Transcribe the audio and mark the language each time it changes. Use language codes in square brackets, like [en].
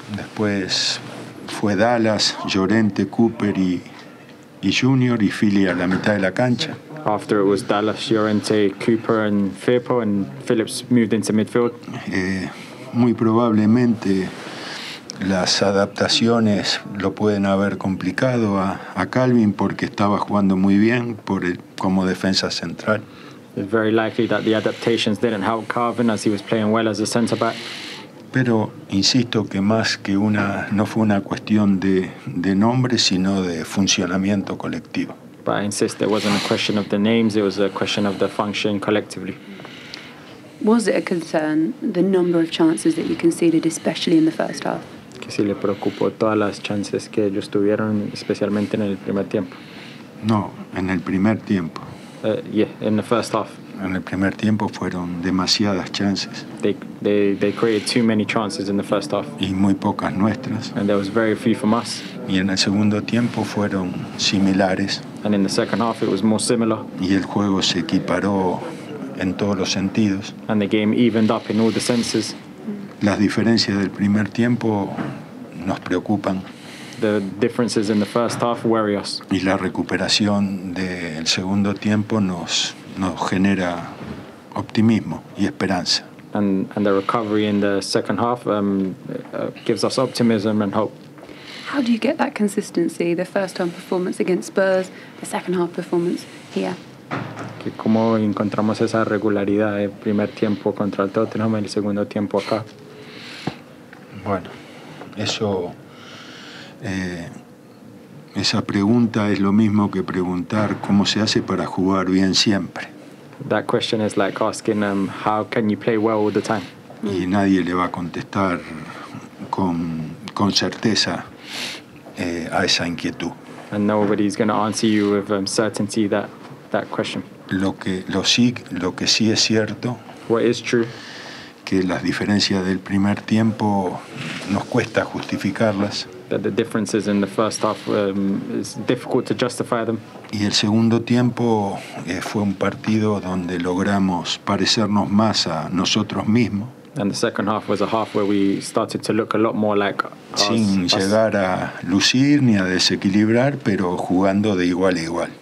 [es] Después fue Dallas, Llorente, Cooper y Junior y Philly a la mitad de la cancha. [en] After it was Dallas, Llorente, Cooper and Firpo and Phillips moved into midfield. [es] Muy probablemente las adaptaciones lo pueden haber complicado a Calvin porque estaba jugando muy bien como defensa central. [en] It's very likely that the adaptations didn't help Calvin as he was playing well as a center back. [es] Pero insisto que más que una, no fue una cuestión de nombre, sino de funcionamiento colectivo. [en] But I insist it wasn't a question of the names, it was a question of the function collectively. Was it a concern, the number of chances that you conceded, especially in the first half? [es] Que si le preocupó todas las chances que ellos tuvieron, especialmente en el primer tiempo. No, en el primer tiempo. [en] In the first half. [es] En el primer tiempo fueron demasiadas chances. [en] They created too many chances in the first half. [es] Y muy pocas nuestras. [en] And there was very few from us. [es] Y en el segundo tiempo fueron similares. [en] And in the second half it was more similar. [es] Y el juego se equiparó en todos los sentidos. [en] And the game evened up in all the senses. [es] Las diferencias del primer tiempo nos preocupan. [en] The differences in the first half worry us. [es] Y la recuperación del segundo tiempo nos genera optimismo y esperanza. [en] And the recovery in the second half gives us optimism and hope. How do you get that consistency, the first half performance against Spurs, the second half performance here? [es] Que cómo encontramos esa regularidad, el primer tiempo contra el Tottenham y el segundo tiempo acá. Bueno, eso, esa pregunta es lo mismo que preguntar cómo se hace para jugar bien siempre. [en] That question is like asking how can you play well all the time. [es] Y nadie le va a contestar con certeza a esa inquietud. [en] And nobody's going to answer you with certainty that question. [es] Lo que sí es cierto. [en] What is true. [es] Que las diferencias del primer tiempo nos cuesta justificarlas. [en] That the differences in the first half is difficult to justify them. [es] Y el segundo tiempo fue un partido donde logramos parecernos más a nosotros mismos. [en] And the second half was a half where we started to look a lot more like [es] sin llegar a lucir ni a desequilibrar, pero jugando de igual a igual.